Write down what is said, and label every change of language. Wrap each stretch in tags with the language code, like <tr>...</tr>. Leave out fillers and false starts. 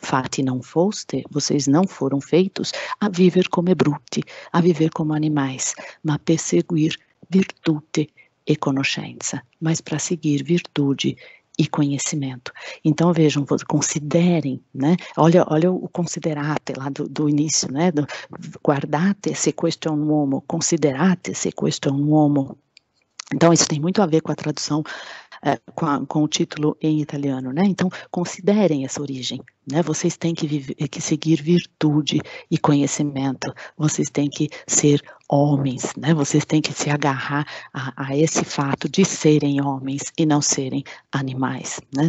<it>Fati non foste,</it> <pt>vocês não foram feitos a viver</pt> <it>come bruti,</it> <pt>a viver como animais,</pt> <it>ma per seguir virtute e conoscenza,</it> <pt>mas para seguir virtude e conhecimento. Então, vejam, considerem, né? Olha, olha o considerate lá do início, né?</pt> <it>Do guardate se questum uomo, considerate se questum uomo.</it> <pt>Então, isso tem muito a ver com a tradução, com o título em italiano, né? Então, considerem essa origem, né? Vocês têm que seguir virtude e conhecimento. Vocês têm que ser homens, né? Vocês têm que se agarrar a esse fato de serem homens e não serem animais, né?</pt>